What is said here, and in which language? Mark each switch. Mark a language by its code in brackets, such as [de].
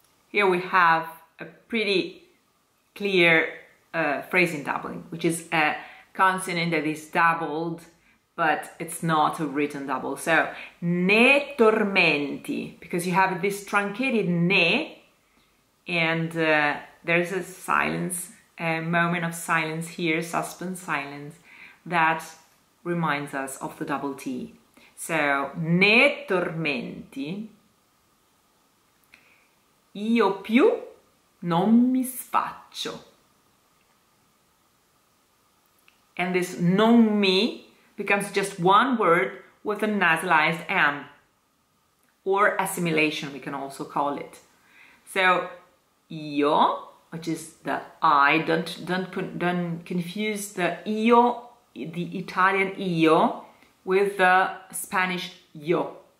[en] Here we have a pretty clear phrasing doubling, which is a consonant that is doubled, but it's not a written double. So, [it] ne tormenti, [en] because you have this truncated ne, and there's a silence, a moment of silence here, suspense silence, that reminds us of the double T. [it] So, ne tormenti, io più non mi sfaccio. [en] And this non mi becomes just one word with a nasalized M, or assimilation, we can also call it. So io, which is the I, don't confuse the io, the Italian io, with the Spanish yo.